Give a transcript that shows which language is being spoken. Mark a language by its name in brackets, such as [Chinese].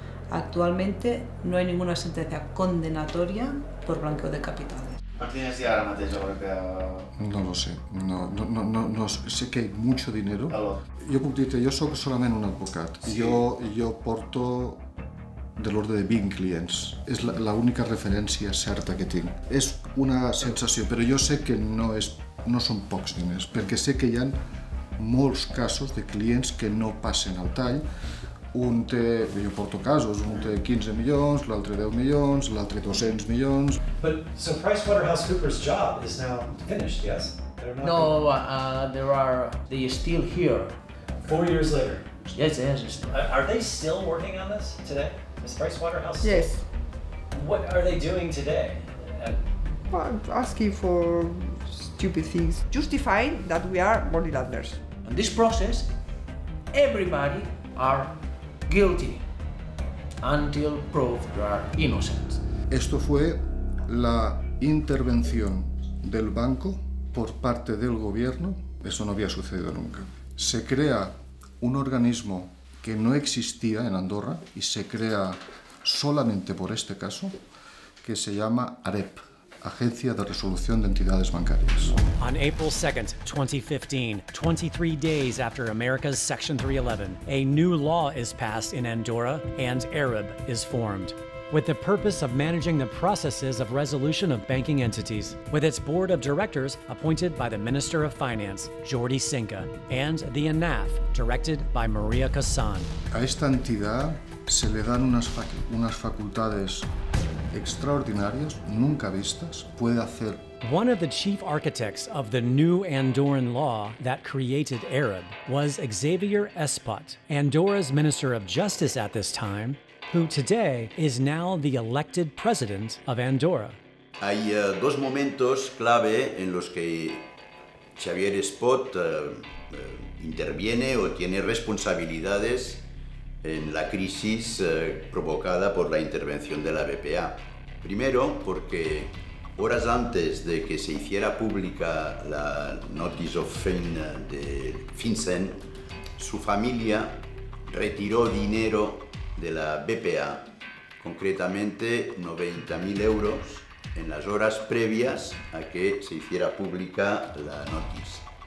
[Spanish] Actualmente no hay ninguna sentencia condenatoria por blanqueo de capitales. ¿Tienes ya la matriz europea? No lo sé. No, sé que hay mucho dinero. ¿Aló? Yo puedo decirte, yo soy solamente un abogado. Sí. [Catalan] Yo porto de l'ordre de 20 clients. És la única referència certa que tinc. És una sensació, però jo sé que no són pocs diners, perquè sé que hi ha molts casos de clients que no passen al tall. Un té, jo porto casos, un té 15 milions, l'altre 10 milions, l'altre 200 milions. [English] But so PricewaterhouseCoopers' job is now finished, yes? No, they're still here. 4 years later. Yes. Are they still working on this today? Is Pricewaterhouse? Yes. What are they doing today? Asking for stupid things. Justifying that we are money launderers. In this process, everybody are guilty until proved they are innocent. [Spanish] Esto fue la intervención del banco por parte del gobierno. Eso no había sucedido nunca. Se crea un organismo que no existía en Andorra y se crea solamente por este caso, que se llama AREP, Agencia de Resolución de Entidades Bancarias. [English] On April 2nd, 2015, 23 days after America's Section 311, a new law is passed in Andorra and AREP is formed. With the purpose of managing the processes of resolution of banking entities, with its board of directors appointed by the Minister of Finance, Jordi Cinca, and the ANAF, directed by Maria Cassan. [Spanish] A esta entidad se le dan unas facultades extraordinarias, nunca vistas, puede hacer. [English] One of the chief architects of the new Andorran law that created AREP was Xavier Espot, Andorra's Minister of Justice at this time, who today is now the elected president of Andorra. [Spanish] Hay dos momentos clave en los que Xavier Espot interviene o tiene responsabilidades en la crisis provocada por la intervención de la BPA. Primero, porque horas antes de que se hiciera pública la notice of fin de FinCEN, su familia retiró dinero de la BPA, concretamente 90.000 euros en las horas previas a que se hiciera pública la notice.